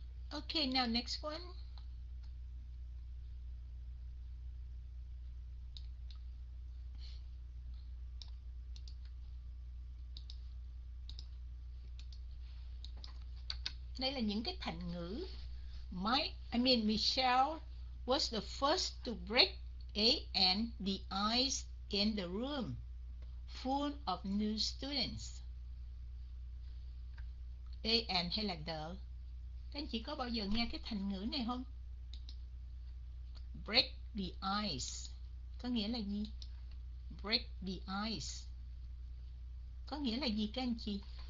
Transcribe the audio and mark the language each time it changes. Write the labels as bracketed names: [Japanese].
[English] Okay, now next one. [Vietnamese] Đây là những cái thành ngữ. [English] Michelle was the first to break A and the ice in the room full of new students. [Vietnamese] A and hay là the? Các anh chị có bao giờ nghe cái thành ngữ này không? [English] Break the ice. [Vietnamese] Có nghĩa là gì? [English] Break the ice. [Vietnamese] Có nghĩa là gì các anh chị?